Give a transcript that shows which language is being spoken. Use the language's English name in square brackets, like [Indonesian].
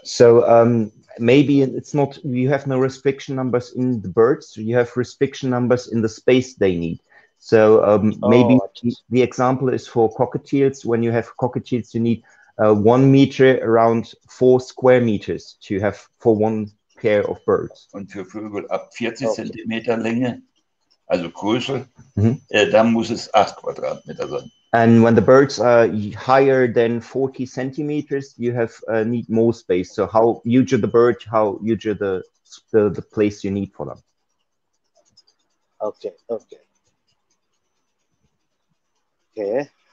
[English] So, maybe it's not, you have no restriction numbers in the birds, you have restriction numbers in the space they need. So maybe the example is for cockatiels. When you have cockatiels, you need 1 meter around 4 square meters to have for one pair of birds. [German] Und für Vögel ab 40 Zentimeter Länge, also Größe, da muss es 8 Quadratmeter sein. [English] And when the birds are higher than 40 centimeters, you have need more space. So how huge are the bird, how huge are the place you need for them. Okay.